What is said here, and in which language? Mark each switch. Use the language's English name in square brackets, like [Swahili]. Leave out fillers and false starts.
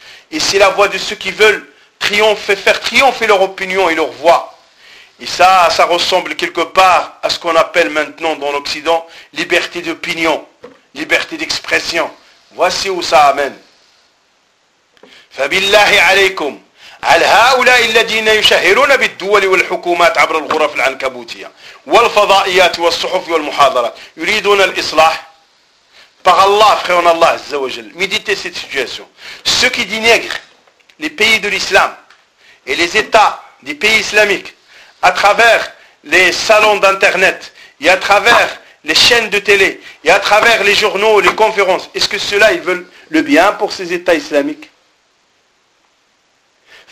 [French] Et c'est la voix de ceux qui veulent faire triompher leur opinion et leur voix. Et ça ressemble quelque part à ce qu'on appelle maintenant dans l'Occident liberté d'opinion, liberté d'expression. Voici où ça amène. [Arabic] Fabillahi alaykum. على هؤلاء الذين يشهرون بالدول والحكومات عبر الغرف العنكبوتية والفضائيات والصحف والمحاضرات يريدون الإصلاح. [French] Par Allah, frère Allah, Azzawajal, méditez cette situation. Ceux qui dénigrent les pays de l'islam et les états des pays islamiques à travers les salons d'internet et à travers les chaînes de télé et à travers les journaux, les conférences, est-ce que ceux-là, ils veulent le bien pour ces états islamiques ?